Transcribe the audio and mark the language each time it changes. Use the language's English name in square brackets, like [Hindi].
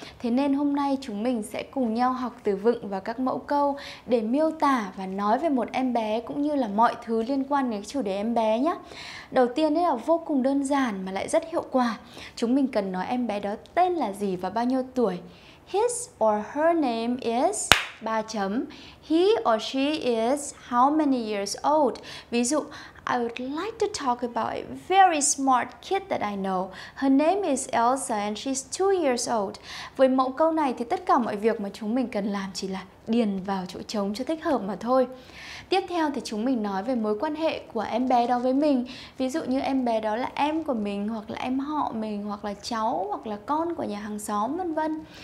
[Vietnamese] Thế nên hôm nay chúng mình sẽ cùng nhau học từ vựng và các mẫu câu để miêu tả và nói về một em bé cũng như là mọi thứ liên quan đến chủ đề em bé nhé. Đầu tiên là vô cùng đơn giản mà lại rất hiệu quả. Chúng mình cần nói em bé đó tên là gì và bao nhiêu tuổi. [English] His or her name is... [Vietnamese] 3 chấm. [English] He or she is how many years old? [Vietnamese] Ví dụ, [English] I would like to talk about a very smart kid that I know. Her name is Elsa and she's 2 years old. [Vietnamese] Với mẫu câu này thì tất cả mọi việc mà chúng mình cần làm chỉ là điền vào chỗ trống cho thích hợp mà thôi. Tiếp theo thì chúng mình nói về mối quan hệ của em bé đó với mình. Ví dụ như em bé đó là em của mình, hoặc là em họ mình, hoặc là cháu, hoặc là con của nhà hàng xóm, vân vân.